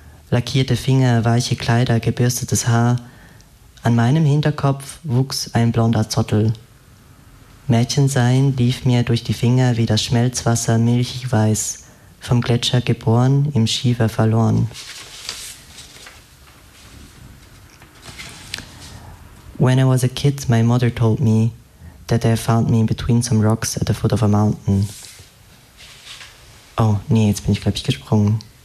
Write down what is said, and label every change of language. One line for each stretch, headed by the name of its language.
German: Lackierte Finger, weiche Kleider, gebürstetes Haar. An meinem Hinterkopf wuchs ein blonder Zottel. Mädchen sein lief mir durch die Finger wie das Schmelzwasser milchig weiß, vom Gletscher geboren, im Schiefer verloren.
English: When I was a kid, my mother told me that they found me between some rocks at the foot of a mountain.
German: Oh, nee, jetzt bin ich, glaube ich, gesprungen.